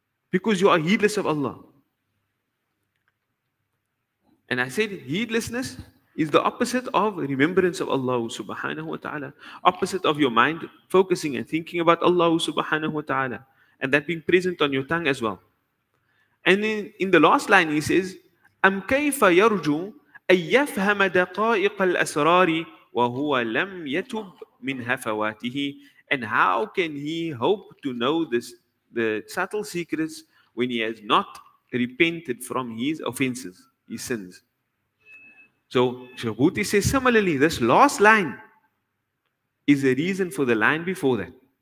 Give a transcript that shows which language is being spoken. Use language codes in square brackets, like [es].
[en] Because you are heedless of Allah. And I said heedlessness is the opposite of remembrance of Allah subhanahu wa ta'ala. Opposite of your mind focusing and thinking about Allah subhanahu wa ta'ala. And that being present on your tongue as well. And in the last line he says, [ar] أَمْ كَيْفَ يَرْجُوا أَنْ يَفْهَمَ دَقَائِقَ الْأَسْرَارِ وَهُوَ لَمْ يَتُبْ مِنْ هَفَوَاتِهِ. [en] And how can he hope to know the subtle secrets when he has not repented from his offenses, his sins? So Shabuti says similarly, this last line is the reason for the line before that.